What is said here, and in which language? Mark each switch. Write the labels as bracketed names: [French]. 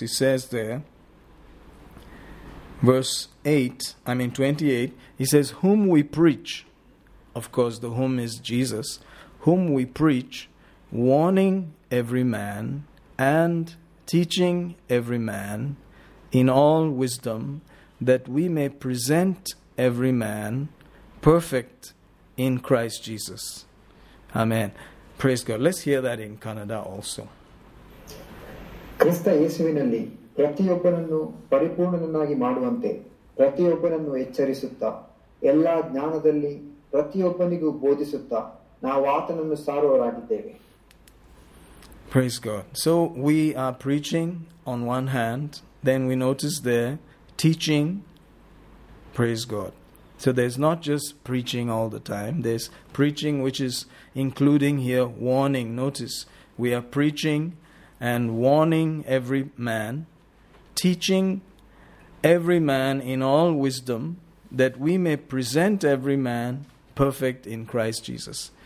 [English] He says there, verse 28, he says, whom we preach, of course the whom is Jesus, whom we preach, warning every man and teaching every man in all wisdom, that we may present every man perfect in Christ Jesus. Amen. Praise God. Let's hear that in Kannada also. [Kannada] ಕ್ರಿಸ್ತ ಯೇಸುವಿನಲ್ಲಿ ಪ್ರತಿಯೊಬ್ಬನನ್ನು ಪರಿಪೂರ್ಣನನ್ನಾಗಿ ಮಾಡುವಂತೆ ಪ್ರತಿಯೊಬ್ಬನನ್ನು ಎಚ್ಚರಿಸುತ್ತಾ ಎಲ್ಲ ಜ್ಞಾನದಲ್ಲಿ ಪ್ರತಿಯೊಬ್ಬನಿಗೂ ಬೋಧಿಸುತ್ತಾ ನಾವು ಆತನನ್ನು ಸಾರುವವರಾಗಿದ್ದೇವೆ. [English] Praise God. So we are preaching on one hand, then we notice there teaching. Praise God. So there's not just preaching all the time. There's preaching which is including here warning. Notice we are preaching and warning every man, teaching every man in all wisdom, that we may present every man perfect in Christ Jesus.